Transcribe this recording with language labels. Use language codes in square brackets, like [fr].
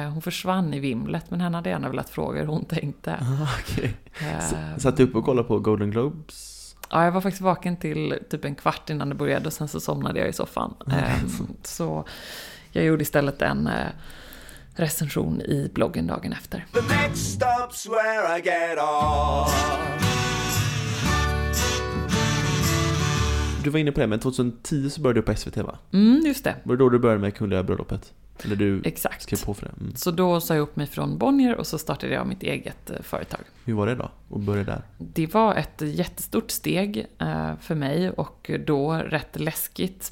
[sv] Hon försvann i vimlet, men henne hade gärna velat fråga hur hon tänkte. [en] Okay. [sv] Satt du upp och kollade på Golden Globes? Ja, jag var faktiskt vaken till typ en kvart innan det började och sen så somnade jag i soffan. Så jag gjorde istället en recension i bloggen dagen efter. [en] The next stop's where I get off. [sv] Du var inne på det, men 2010 så började du på SVT, va? Mm, just det. Var det då du började med Kungliga bröllopet? Eller du exakt. Skrev på för det? Mm. Så då sa jag upp mig från Bonnier och så startade jag mitt eget företag. Hur var det då att börja där? Det var ett jättestort steg för mig och då rätt läskigt.